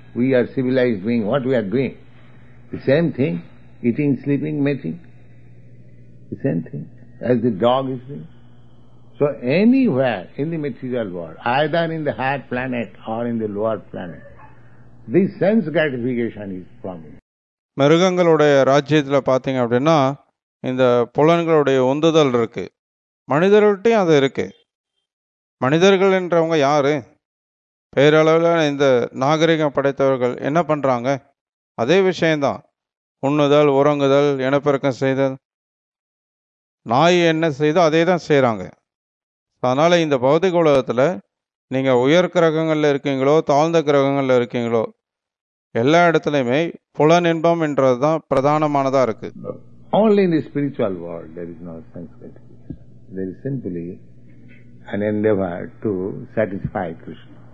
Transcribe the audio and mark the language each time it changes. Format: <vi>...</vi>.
<en>We are civilised being. What we are doing? The same thing, eating, sleeping, mating, the same thing as the dog is doing. So anywhere in the material world, either in the higher planet or in the lower planet, this sense gratification is promised.</en> <ta>மிருகங்களோட ராஜ்யத்துல பாத்தீங்க அப்படினா இந்த புலன்களோட உந்துதல் இருக்கு. மனிதர்கள்ட்டையும் அது இருக்கு. மனிதர்கள் என்றவங்க யாரு? பேரளவில் இந்த நாகரிகம் படைத்தவர்கள் என்ன பண்றாங்க? அதே விஷயம்தான், உண்ணுதல், உறங்குதல், இனப்பெருக்கம் செய்தல். நாய் என்ன செய்தோ அதே தான் செய்கிறாங்க. அதனால் இந்த பௌதிக உலகத்தில் நீங்கள் உயர் கிரகங்களில் இருக்கீங்களோ, தாழ்ந்த கிரகங்களில் இருக்கீங்களோ, எல்லா இடத்துலையுமே புலன் இன்பம் என்றது தான் பிரதானமானதாக இருக்கு.</ta> <en>Only in the spiritual world there is no sense gratification. There is simply an endeavor to satisfy Krishna.</en>